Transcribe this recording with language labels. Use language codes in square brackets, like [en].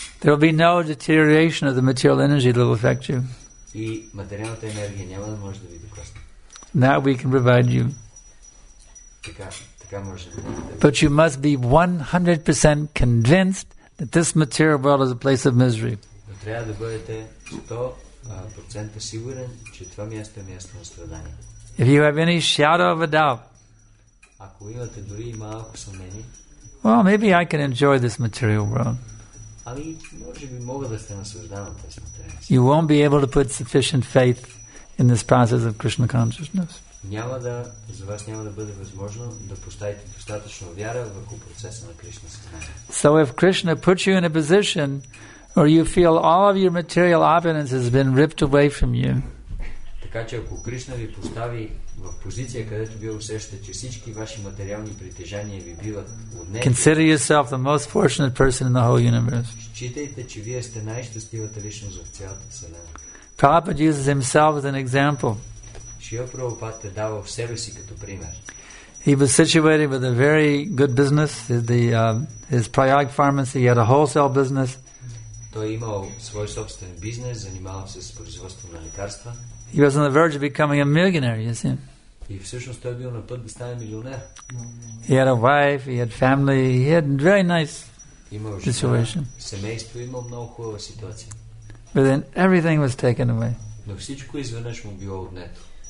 [en] There will be no deterioration of the material energy that will affect you. [bg] И материалната енергия няма да може да ви докосне. [en] Now we can provide you. [bg] Така може. [en] But you must be 100% convinced that this material world is a place of misery. [bg] Трябва да бъдете 100% сигурен, че това място е място на страдание. [en] If you have any shadow of a doubt, [bg] ако имате дори малко съмнение, [en] well, maybe I can enjoy this material world. [bg] Ами, може би мога да се наслаждавам тази материална свят. [en] You won't be able to put sufficient faith in this process of Krishna consciousness. [bg] Няма да, за вас няма да бъде възможно да поставите достатъчно вяра в процеса на Кришна съзнание. [en] So if Krishna puts you in a position where you feel all of your material evidence has been ripped away from you, [bg] така че ако Кришна ви постави в позиция, където вие усещате, че всички ваши материални притежания ви биват отнети, [en] consider yourself the most fortunate person in the whole universe. [bg] Считайте, че вие сте най-щастливата личност в цялата вселена. [en] Prabhupada uses himself as an example. [bg] Шрила Прабхупада те дава в себе си като пример. [en] He was situated with a very good business. His Prayag pharmacy, he had a wholesale business. [bg] Той имал свой собствен бизнес, занимавал се с производство на лекарства. [en] He was on the verge of becoming a millionaire, you see. [bg] И всъщност той бил на път да стане милионер. [en] He had a wife, he had family, he had very nice situation. [bg] Семейство, имал много хубава ситуация. [en] But then everything was taken away. [bg] Но всичко изведнъж му било отнето.